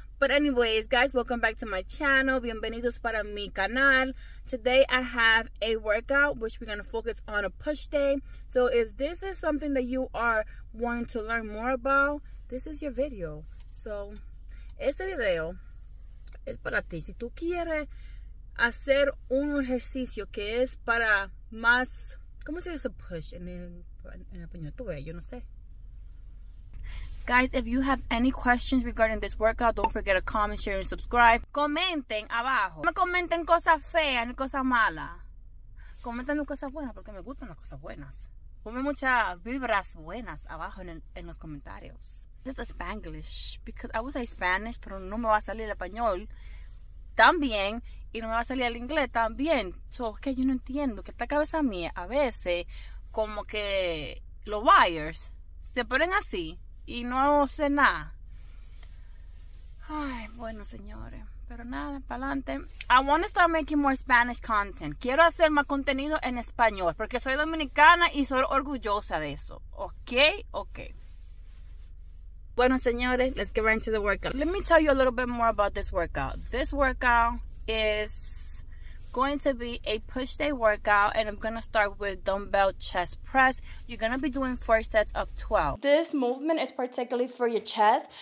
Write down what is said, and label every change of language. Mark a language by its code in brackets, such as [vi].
[en] But anyways, guys, welcome back to my channel. [es] Bienvenidos para mi canal. [en] Today I have a workout which we're gonna focus on a push day. So if this is something that you are wanting to learn more about, this is your video. [es] So este video es para ti. Si tú quieres hacer un ejercicio que es para más, ¿cómo se dice push en español? Tú ves, yo no sé. [en] Guys, if you have any questions regarding this workout, don't forget to comment, share, and subscribe. [es] Comenten abajo. No me comenten cosas feas ni cosas malas. Comenten cosas buenas porque me gustan las cosas buenas. Ponme muchas vibras buenas abajo en los comentarios. [en] This is Spanglish, because I would say Spanish, [es] pero no me va a salir el español también, y no me va a salir el inglés también. So, que yo no entiendo, que esta cabeza mía, a veces, como que los wires se ponen así, y no sé nada. Ay, bueno, señores, pero nada, pa'lante. [en] I want to start making more Spanish content. [es] Quiero hacer más contenido en español, porque soy dominicana y soy orgullosa de eso. [en] Ok. [es] Bueno, señores, [en] let's get right into the workout. Let me tell you a little bit more about this workout. This workout is going to be a push day workout, and I'm going to start with dumbbell chest press. You're going to be doing 4 sets of 12. This movement is particularly for your chest.